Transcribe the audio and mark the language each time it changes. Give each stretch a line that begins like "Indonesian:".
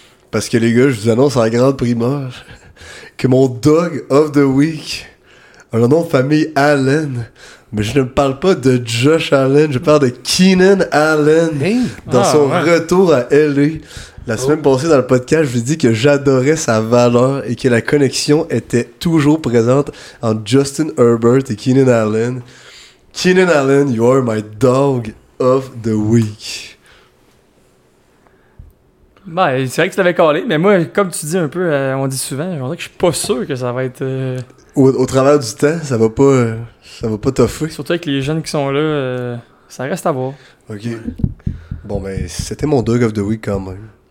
French: Parce que, les gars, je vous annonce en grande primeur. Que mon
English: dog of the week
French: a le nom de famille Allen, mais je ne parle pas de Josh Allen, je parle de Keenan Allen retour à LA. La semaine passée dans le podcast, je lui ai dit que j'adorais sa valeur et que la connexion était toujours présente entre Justin Herbert et Keenan Allen.
English: Keenan Allen, you are my dog of the week.
French: Ben, c'est vrai que tu l'avais callé, mais moi, comme tu dis un peu, on dit souvent, on dirait que je suis pas sûr que ça va être... Au travers du temps, ça va pas toffer. Surtout avec les jeunes qui sont là, ça reste à voir. OK. Bon, ben, c'était mon
English: Doug of the Week
French: quand même.